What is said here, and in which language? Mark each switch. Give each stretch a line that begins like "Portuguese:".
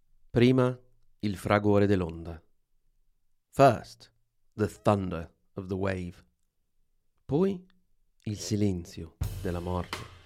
Italian: Prima il fragore dell'onda.
English: First, the thunder of the wave.
Italian: Poi il silenzio della morte.